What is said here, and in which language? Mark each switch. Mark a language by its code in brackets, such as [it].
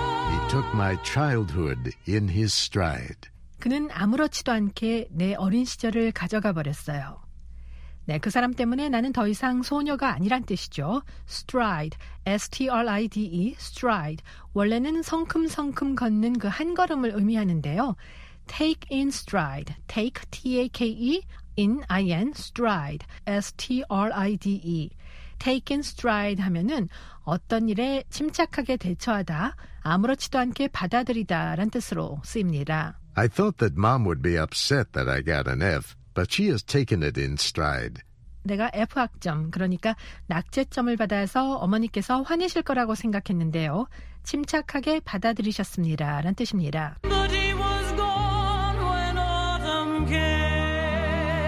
[en] He took my childhood in his stride. [ko] 그는 아무렇지도 않게 내 어린 시절을 가져가 버렸어요. 네, 그 사람 때문에 나는 더 이상 소녀가 아니란 뜻이죠. [en] Stride, S-T-R-I-D-E, stride. [ko] 원래는 성큼성큼 걷는 그 한 걸음을 의미하는데요. [en] Take in stride, take, T-A-K-E, in, I-N, stride, S-T-R-I-D-E. [ko] Take in stride 하면은 어떤 일에 침착하게 대처하다, 아무렇지도 않게 받아들이다 라는 뜻으로 쓰입니다. [en] I thought that mom would be upset that I got an F, but she has taken it in stride. [ko] 내가 F학점, 그러니까 낙제점을 받아서 어머니께서 화내실 거라고 생각했는데요. 침착하게 받아들이셨습니다 라는 뜻입니다. [en] But he was gone when autumn came.